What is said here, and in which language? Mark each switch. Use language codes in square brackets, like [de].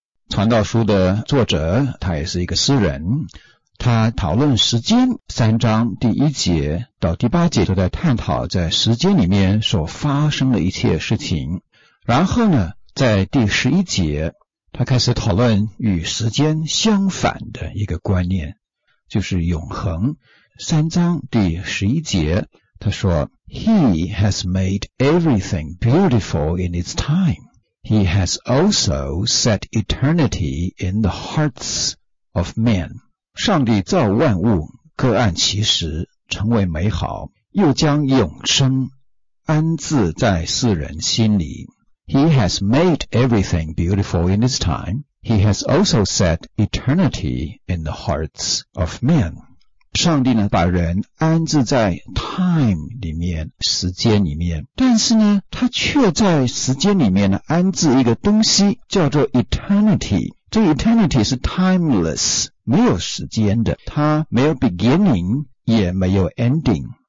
[zh] 传道书的作者他也是一个诗人，他讨论时间，三章第一节到第八节都在探讨在时间里面所发生的一切事情。然后呢在第十一节他开始讨论与时间相反的一个观念，就是永恒。三章第十一节他说 [en] He has made everything beautiful in its time. He has also set eternity in the hearts of men. [zh] 上帝造万物各按其时成为美好，又将永生安置在世人心里。 [en] He has made everything beautiful in his time. He has also set eternity in the hearts of men. [zh] 上帝呢把人安置在 time 里面，时间里面，但是呢他却在时间里面呢安置一个东西叫做 eternity。这 eternity 是 timeless，没有时间的，它没有 beginning 也没有 ending。